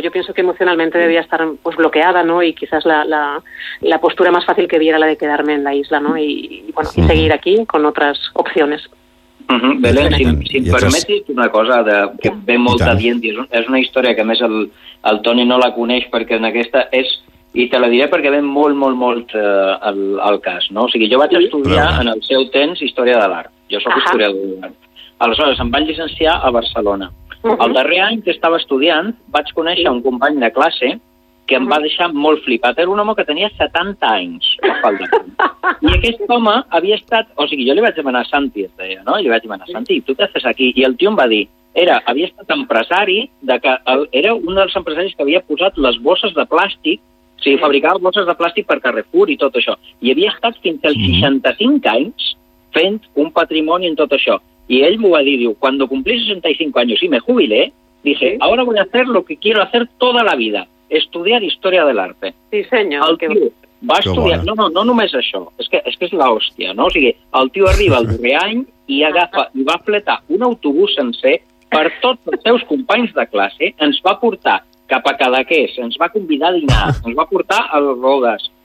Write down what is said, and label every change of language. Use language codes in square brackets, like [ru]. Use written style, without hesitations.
[es] Yo pienso que emocionalmente debía estar pues bloqueada, ¿no? Y quizás la postura más fácil que viera la de quedarme en la isla, ¿no? Y bueno, y seguir aquí con otras opciones. Uh-huh. [ca] Belén, si em permetis una cosa que ve molt adient, és una història que a més el Toni no la coneix perquè en aquesta és, i te la diré perquè ve molt, molt, molt al cas, no? O sigui, jo vaig estudiar en el seu temps història de l'art. Jo sóc historiador de l'art. Aleshores, em vaig llicenciar a Barcelona. El darrer any que estava estudiant vaig conèixer un company de classe que em va deixar molt flipat. Era un home que tenia 70 anys. I aquest home havia estat... O sigui, jo li vaig demanar a Santi, es deia, no? Li vaig demanar a Santi, tu què fas aquí? I el tio em va dir... havia estat empresari, era un dels empresaris que havia posat les bosses de plàstic, o sigui, fabricava bosses de plàstic per Carrefour i tot això. I havia estat fins als 65 anys fent un patrimoni en tot això. [es] Y él me va a decir, digo, cuando cumplí 65 años y me jubilé, dije, ahora voy a hacer lo que quiero hacer toda la vida, estudiar historia del arte. Sí, señor. El tío va a estudiar, [ca] no només això, és que és la hòstia, no? O sigui, el tio arriba al darrer any i agafa i va fletar un autobús sencer per tots els seus companys de classe, ens va portar cap a Cadaqués, ens va convidar a dinar, ens va portar a les Rodes.